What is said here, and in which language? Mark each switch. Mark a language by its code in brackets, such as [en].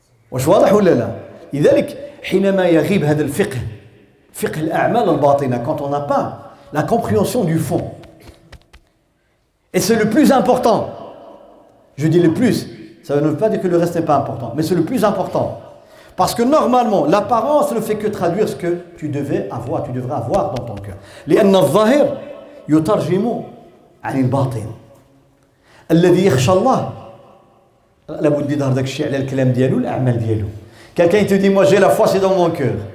[ar] واش واضح ولا لا؟ لذلك حينما يغيب هذا الفقه فقه الأعمال الباطنة [fr] quand on n'a pas la compréhension du fond. Et c'est le plus important. Je dis le plus. Ça ne veut pas dire que le reste n'est pas important. Mais c'est le plus important. Parce que normalement, l'apparence ne fait que traduire ce que tu devais avoir, tu devrais avoir dans ton cœur. [ar] لأن الظاهر يترجم عن الباطن. الذي يخشى الله. لابد يظهر داك الشيء على الكلام ديالو الأعمال ديالو. [fr] Quelqu'un te dit, moi j'ai la foi, c'est dans mon cœur.